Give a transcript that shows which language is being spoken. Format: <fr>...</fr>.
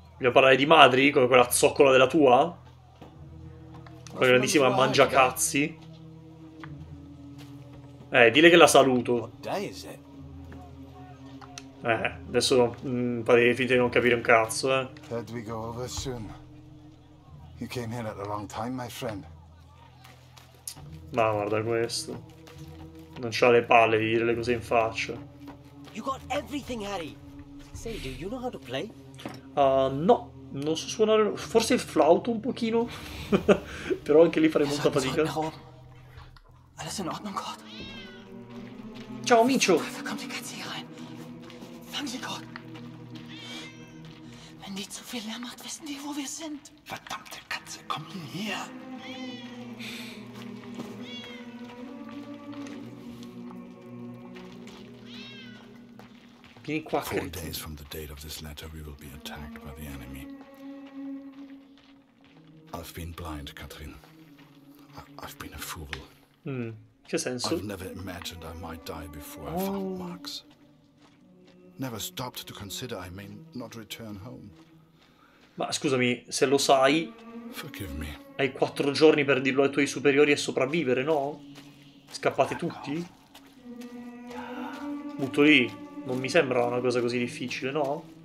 <it>Voglio parlare di madri, come quella zoccola della tua? Quella grandissima mangiacazzi. Dile che la saluto. Adesso fate finta di non capire un cazzo, eh.</it> <en>Ted, we go over soon. You came here at the wrong time, my friend.</en> <it>Ma guarda questo. Non c'ha le palle di dire le cose in faccia.</it> <en>You got everything, Harry. Say, do you know how to play?</en> <it>No, non so suonare. Forse il flauto un pochino. Però anche lì farei molta fatica. Ciao, Micio.</it> <de>Fangen Sie Gott! Wenn die zu viel Lärm macht, wissen die, wo wir sind! Verdammte Katze, komm hierher!</de> <it>Vieni qua, Kritz.</it> <en>4 days from the date of this letter, we will be attacked by the enemy. I've been blind, Katrin. I've been a fool.</en> <it>Che senso?</it> <en>I've never imagined I might die before I found Max. Never stopped to consider I may not return home.</en> <it>Ma scusami, se lo sai,</it> <en>forgive me.</en> <it>Hai 4 giorni per dirlo ai tuoi superiori e sopravvivere, no? Scappate tutti? Butto lì. Non mi sembra una cosa così difficile, no?</it>